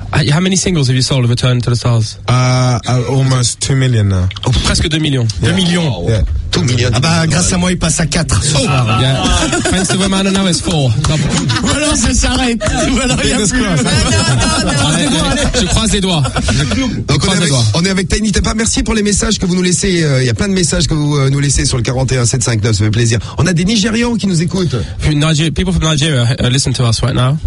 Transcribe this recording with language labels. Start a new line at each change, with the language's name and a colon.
English: How many singles have you sold of Return to the Stars? Almost 2 million now.
French: Presque 2 millions.
English: Yeah. 2 millions. Yeah.
French: tout mignon. Ah bah grâce à moi il passe à 4. Oh. Ah,
English: yeah. Friends to Women, now it's 4.
French: Ou alors ça s'arrête. Ou alors il y a plus. Je croise les doigts. Donc on est avec Tiny Tempa. Merci pour les messages que vous nous laissez. Il y a plein de messages que vous nous laissez sur le 41 759. Ça fait plaisir. On a des Nigérians qui nous écoutent.
English: People from Nigeria listen to us right now.